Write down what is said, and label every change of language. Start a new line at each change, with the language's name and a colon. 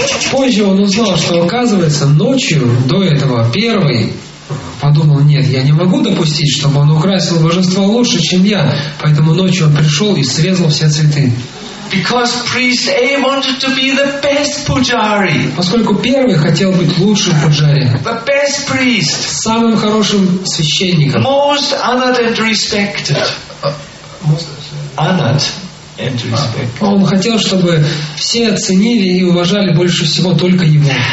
Russian: Позже он узнал, что оказывается ночью до этого первый подумал, нет, я не могу допустить, чтобы он украсил божество лучше, чем я. Поэтому ночью он пришел и срезал все цветы.
English: Because priest A wanted to be the best pujari.
Russian: Поскольку первый хотел быть лучшим пуджари.
English: The best priest.
Russian: Самым хорошим священником.
English: Most honored and respected. Honored.
Russian: Он хотел, чтобы все оценили и уважали больше всего только его.